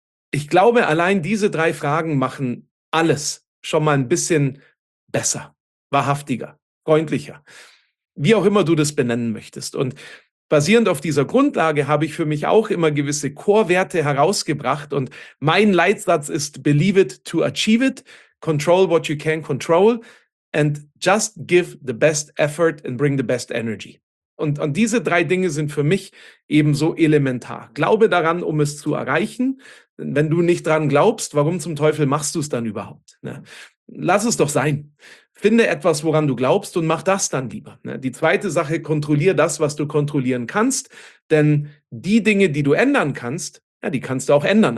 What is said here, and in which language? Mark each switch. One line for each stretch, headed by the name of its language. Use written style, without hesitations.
German: Ich glaube, allein diese drei Fragen machen alles schon mal ein bisschen besser, wahrhaftiger, freundlicher. Wie auch immer du das benennen möchtest. Und basierend auf dieser Grundlage habe ich für mich auch immer gewisse Core-Werte herausgebracht. Und mein Leitsatz ist,
English: believe it to achieve it, control what you can control, and just give the best effort and bring the best energy.
German: Und diese drei Dinge sind für mich ebenso elementar. Glaube daran, um es zu erreichen. Wenn du nicht dran glaubst, warum zum Teufel machst du es dann überhaupt? Ne? Lass es doch sein. Finde etwas, woran du glaubst und mach das dann lieber. Ne? Die zweite Sache, kontrolliere das, was du kontrollieren kannst. Denn die Dinge, die du ändern kannst, ja, die kannst du auch ändern.